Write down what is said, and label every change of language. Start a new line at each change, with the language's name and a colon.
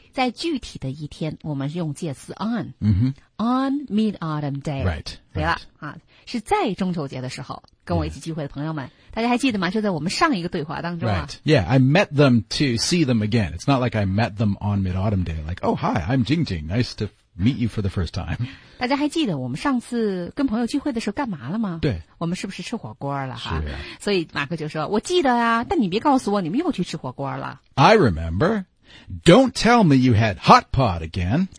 Chinese: 在具体的一天我们用介词 on、
English: on mid-autumn day right.
Chinese: 对了、
English: right.
Chinese: 啊、是在中秋节的时候跟我一起聚会的朋友们、大家还记得吗？就在我们上一个对话当中啊。
English: Right. Yeah, I met them to see them again. It's not like I met them on Mid-Autumn Day. Like, oh, hi, I'm Jingjing. Nice to meet you for the first time.
Chinese: 大家还记得我们上次跟朋友聚会的时候干嘛了吗？对。我们是不是吃火锅了哈？是、所以马克就说，我记得啊，但你别告诉我你们又去吃火锅了。
English: I remember. Don't tell me you had hot pot again.